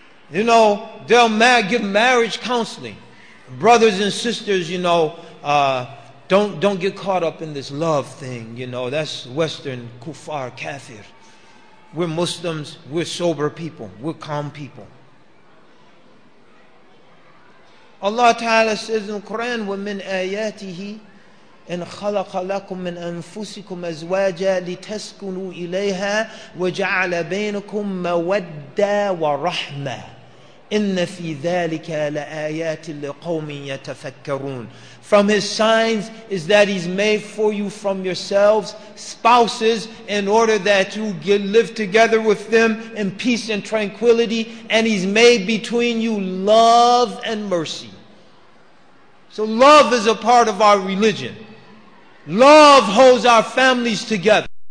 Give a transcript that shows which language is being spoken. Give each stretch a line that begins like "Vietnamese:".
English: You know, they'll give marriage counseling. Brothers and sisters, you know, don't get caught up in this love thing. You know, that's Western kufar, kafir. We're Muslims, we're sober people, we're calm people. Allah Ta'ala says in the Quran,
Arabic: وَمِنْ آيَاتِهِ إِنْ خَلَقَ لَكُمْ مِنْ أَنفُسِكُمْ أَزْوَاجًا لِتَسْكُنُوا إِلَيْهَا وَجَعَلَ بَيْنَكُمْ مَوَدَّةً وَرَحْمَةً إِنَّ فِي ذَٰلِكَ لَآيَاتٍ لِقَوْمٍ يَتَفَكَّرُونَ.
English: From His signs is that He's made for you from yourselves spouses in order that you live together with them in peace and tranquility, and He's made between you love and mercy. So love is a part of our religion. Love holds our families together.